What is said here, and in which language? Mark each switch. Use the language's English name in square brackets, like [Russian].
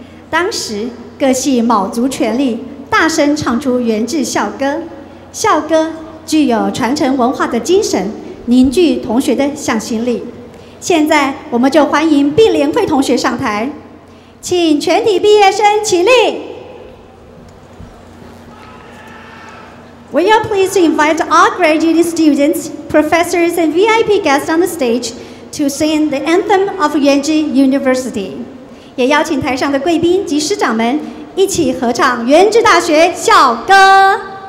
[Chinese] 当时各系卯足全力大声唱出元志校歌，校歌具有传承文化的精神，凝聚同学的向心力。现在我们就欢迎毕联会同学上台，请全体毕业生起立。 [English] We are pleased to invite all graduating students, professors, and VIP guests on the stage to sing the anthem of Yuanzhi University. [Chinese] 也邀请台上的贵宾及师长们一起合唱元智大学校歌。